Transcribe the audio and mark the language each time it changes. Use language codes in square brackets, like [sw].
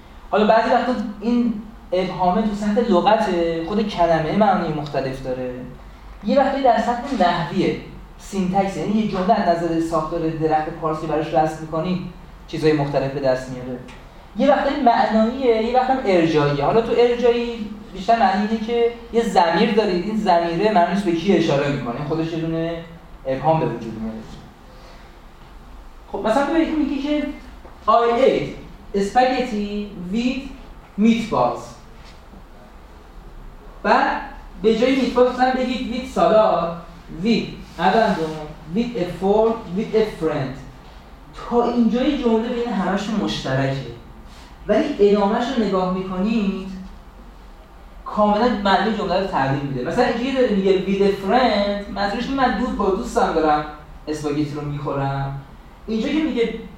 [fa] حالا بعضی وقتا این ابهامه تو سطح لغت خود کلمه معنی مختلف داره، یه وقتی در سطح نحویه سینتکس، یعنی یه جمله از نظر ساختار درخت پارسی براش رسم می‌کنی چیزای مختلف به دست میاره، یه وقتی معنائیه، یه وقتی ارجاعیه. حالا تو ارجاعی بیشتر معنی اینه که یه ضمیر دارید، این ضمیره معنیش به کی اشاره میکنه، این خودش یه دونه ابهام به وجود میاره. خب مثلا ببینید میگی که [en] I ate spaghetti with meatballs، [fa] بعد به جای meatballs مثلا بگید [en] with salad، with abandon، with a fork، with a friend. [fa] تا اینجای جمله بین همش مشترکه، ولی ادامهش رو نگاه میکنید کاملا معنی جمله رو تغییر میده. مثلا اینکه داره میگه [en] with a friend، [fa] منظورش من دوست با دوستم دارم اسپاگتی رو میخورم. اینجا که میگه